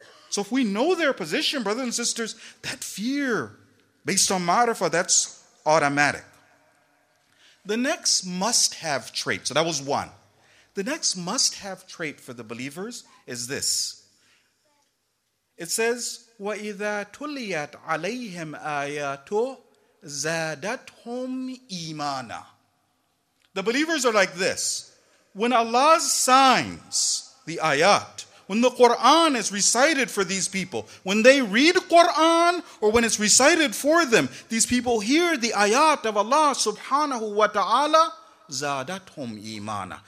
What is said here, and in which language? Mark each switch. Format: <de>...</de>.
<en>So if we know their position, brothers and sisters, that fear based on ma'rifah, that's automatic. The next must-have trait, so that was one. The next must-have trait for the believers is this.</en> <ar>It says, وَإِذَا تُلِيَتْ عَلَيْهِمْ آيَاتُ زَادَتْهُمْ إِيمَانًا.</ar> <en>The believers are like this. When Allah's signs, the ayat, when the Quran is recited for these people, when they read Quran or when it's recited for them, these people hear the ayat of Allah subhanahu wa ta'ala, زَادَتْهُمْ إِيمَانًا.</en>